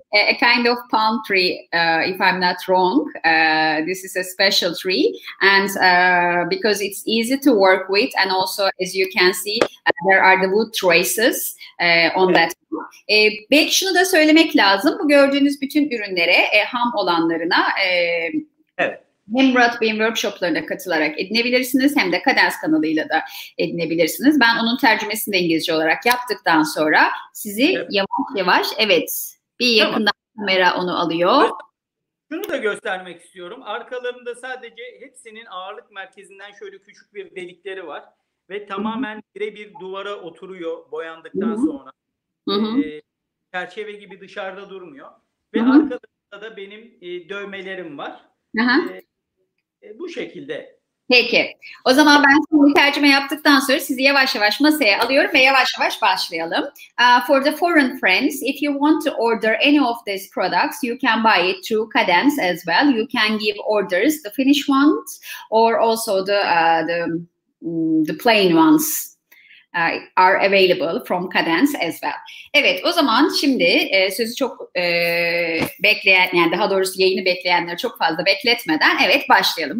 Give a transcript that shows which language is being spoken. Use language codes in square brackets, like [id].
[en] A kind of palm tree if I'm not wrong. This is a special tree and because it's easy to work with and also as you can see there are the wood traces on that. [tr] Belki şunu da söylemek lazım. Bu gördüğünüz bütün ürünlere ham olanlarına hem Murat Bey'in workshoplarına katılarak edinebilirsiniz hem de Kadens kanalıyla da edinebilirsiniz. Ben onun tercümesini de İngilizce olarak yaptıktan sonra sizi yavaş yavaş bir yakından kamera onu alıyor. Şunu da göstermek istiyorum. Arkalarında sadece hepsinin ağırlık merkezinden şöyle küçük bir delikleri var ve tamamen birebir duvara oturuyor boyandıktan sonra. çerçeve gibi dışarıda durmuyor. Ve arkada da benim dövmelerim var. Bu şekilde. Peki. O zaman ben bu tercüme yaptıktan sonra sizi yavaş yavaş masaya alıyorum ve yavaş yavaş başlayalım. [en] For the foreign friends, if you want to order any of these products, you can buy it through Cadence as well. You can give orders, the Finnish ones or also the plain ones are available from Cadence as well. [tr] Evet, o zaman şimdi sözü çok bekleyen, yani daha doğrusu yayını bekleyenler çok fazla bekletmeden evet başlayalım.